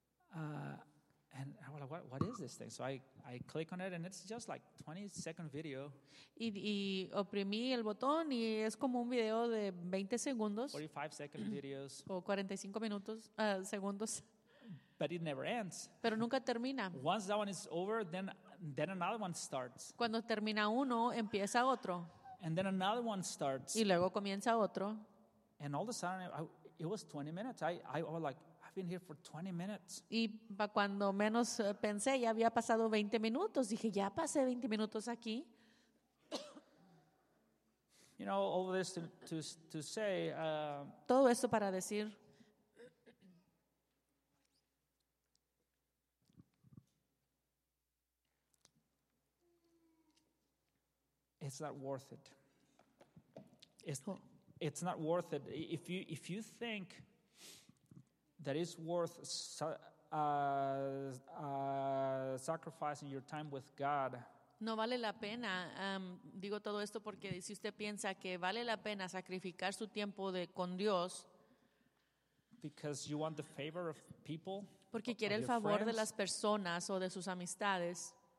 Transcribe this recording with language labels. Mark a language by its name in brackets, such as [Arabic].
[English] And I was like, what is this thing? So I click on it and it's just like 20 second video. [Spanish] Y oprimí el botón y es como un video de 20 segundos. [English] 45 second videos. [Spanish] O 45 minutos, segundos. [English] But it never ends. [Spanish] Pero nunca termina. [English] Once that one is over, then another one starts. [Spanish] Cuando termina uno, empieza otro. [English] And then another one starts. [Spanish] Y luego comienza otro. [English] And all of a sudden, it was 20 minutes. I was like, been here for 20 minutes. [Spanish] Y cuando menos pensé, ya había pasado 20 minutos. Dije, ya pasé 20 minutos aquí. [English] You know, all this to say. [Spanish] Todo esto para decir. [English] It's not worth it. It's not worth it. If you think that is worth sacrificing your time with God. [Spanish] No vale la pena. Digo todo esto porque si usted piensa que vale la pena sacrificar su tiempo con Dios. [English] Because you want the favor of people. [Spanish] Porque quiere el favor de las personas o de sus amistades.